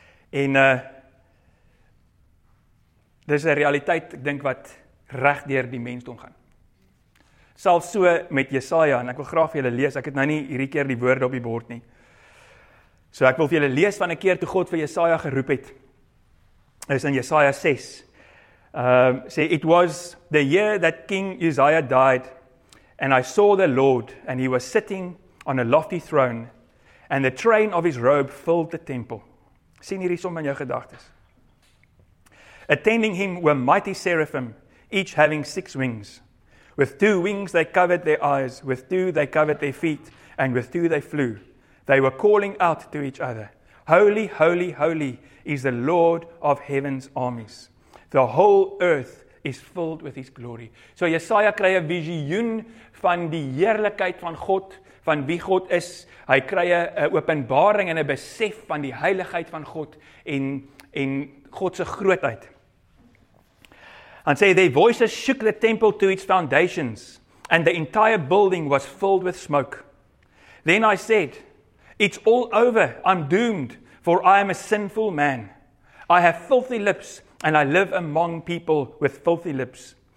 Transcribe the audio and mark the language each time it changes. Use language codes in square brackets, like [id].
[af] En dis 'n realiteit ek dink wat reg deur die mensdom gaan. Selfs so met Jesaja en ek wil graag vir julle lees. Ek het nou nie hierdie keer die woorde op die bord nie. So ek wil vir julle lees van 'n keer toe God vir Jesaja geroep het. Is in Jesaja 6. [en] Sê, it was the year that King Uzziah died, and I saw the Lord, and he was sitting on a lofty throne, and the train of his robe filled the temple. [af] Sien hierdie som in jou gedagtes. [en] Attending him were mighty seraphim, each having 6 wings. With 2 wings they covered their eyes, with 2 they covered their feet, and with 2 they flew. They were calling out to each other, holy, holy, holy, is the Lord of heaven's armies. The whole earth is filled with his glory. [af] So Jesaja kry 'n visioen van die heerlikheid van God, van wie God is. Hy kry 'n openbaring en 'n besef van die heiligheid van God en God se grootheid. [en] And say their voices shook the temple to its foundations, and the entire building was filled with smoke. Then I said, it's all over. I'm doomed, for I am a sinful man. I have filthy lips, and I live among people with filthy lips.